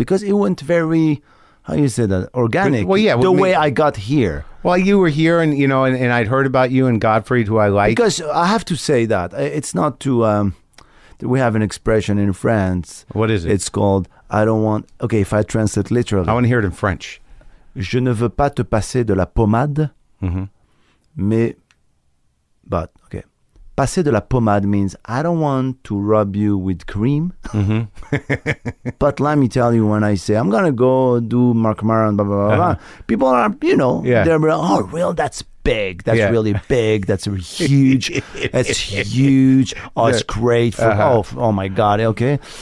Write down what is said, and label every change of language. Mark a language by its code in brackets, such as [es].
[en] Because it went very, how you say that, organic. Well, yeah, way I got here. Well, you were here, and you know, and I'd heard about you and Gottfried, who I like. Because I have to say that it's not to. We have an expression in France. What is it? It's called I don't want. Okay, if I translate literally, I want to hear it in French. [fr] Je ne veux pas te passer de la pommade, [en] but okay. [fr] Passer de la pommade [en] means I don't want to rub you with cream. Mm-hmm. But let me tell you, when I say I'm going to go do Marc Maron, blah, blah, blah, blah, people are, you know, they're like, oh, real? That's big. That's really big. That's huge. That's huge. Oh, it's great. Oh, my God. Okay.